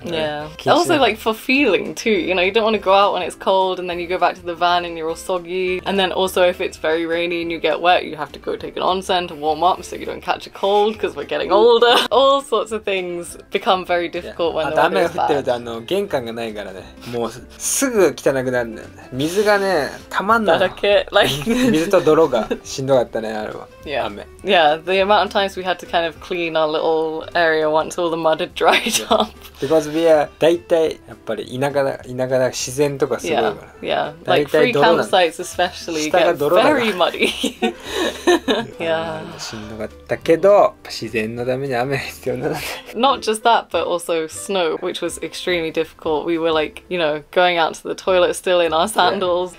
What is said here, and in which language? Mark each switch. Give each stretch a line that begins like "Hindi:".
English: Yeah. Also like for feeling too, you know, you don't want to go out when it's cold and then you go back to the van and you're all soggy. And then also if it's very rainy and you get wet, you have to go take an onsen to warm up so you don't catch a cold because we're getting older. All sorts of things become very difficult when the weather is bad.
Japanese: 雨が降ってると玄関がないから。もうすぐ汚くなるんだよね。水がね、たまんない。だけ、水と泥がしんどかったね、あれは。雨。
English: Yeah, the amount of times we had to kind of clean our little area once all the mud had dried up. Because we are
Japanese: 大体やっぱり田舎だ自然とかすごいから。
English: Yeah, yeah. Like free campsites especially get very muddy. Yeah.
Japanese: しんどかったけど、自然のために雨が必要なので。
English: Not just that, but also snow, which was extremely difficult. We were like, you know, going out to the toilet still in our sandals.